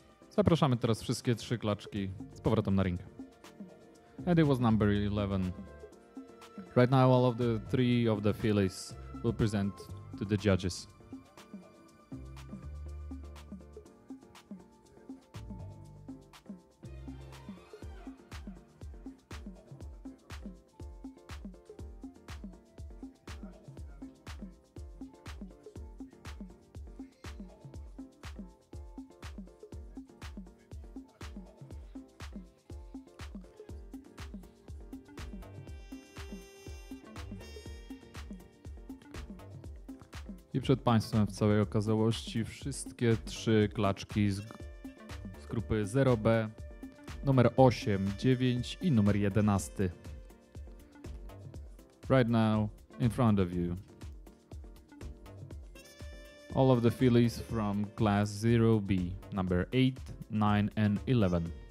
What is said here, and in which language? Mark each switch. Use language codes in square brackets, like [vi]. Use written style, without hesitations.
[pl] Zapraszamy teraz wszystkie trzy klaczki z powrotem na ring. [en] And it was number 11. Right now all of the three of the Phillies will present to the judges. [pl] I przed Państwem w całej okazałości wszystkie trzy klaczki z grupy 0B, numer 8, 9 i numer 11. [en] Right now, in front of you. All of the fillies from class 0B, number 8, 9 and 11.